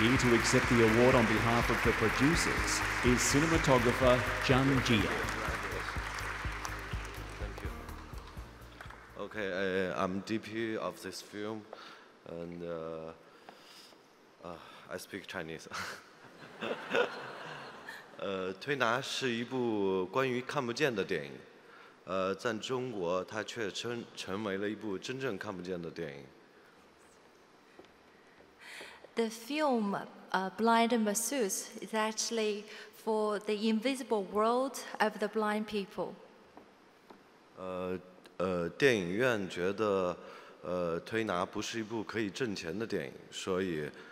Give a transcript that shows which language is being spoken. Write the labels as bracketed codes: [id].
[en] Here to accept the award on behalf of the producers is cinematographer Zhang Jia. Thank you. Okay, I'm DP of this film, and I speak Chinese. [zh] 推拿是一部关于看不见的电影，在中国它却成为了一部真正看不见的电影。The [en] film Blind Masseuse is actually for the invisible world of the blind people. [zh] 电影院觉得推拿不是一部可以挣钱的电影，所以。